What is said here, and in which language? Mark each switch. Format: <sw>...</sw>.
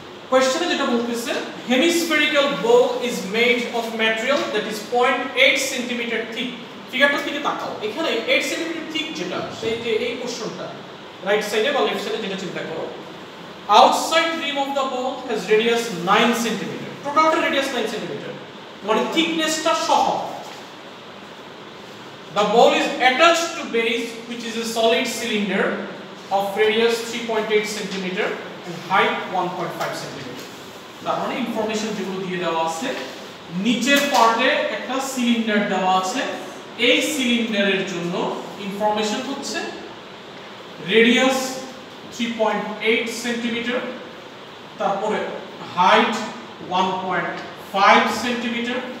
<bn>কোয়েশ্চেনে যেটা বলতেছে,</bn> <en>Hemispherical bowl is made of material that is 0.8 centimetre thick.</en> <bn>ফিগারটার দিকে তাকাও, এখানে 8 সেন্টিমিটার থিক যেটা, সেই যে এই কোশ্চেনটা রাইট সাইডে বা লেফট সাইডে যেটা চিন্তা করো,</bn> <en>outside rim of the bowl has radius 9 cm,</en> <bn>total radius 9 cm, মানে thickness টা সহ।</bn> <en>The bowl is attached to base which is a solid cylinder of radius 3.8 cm and height 1.5 cm.</en> <bn>তার মানে ইনফরমেশন যেগুলো দিয়ে দেওয়া আছে, নিচের পার্টে একটা সিলিন্ডার দেওয়া আছে, এই সিলিন্ডারের জন্য ইনফরমেশন হচ্ছে রেডিয়াস 3.8 সেন্টিমিটার, তারপরে হাইট 1.5 সেন্টিমিটার।</bn>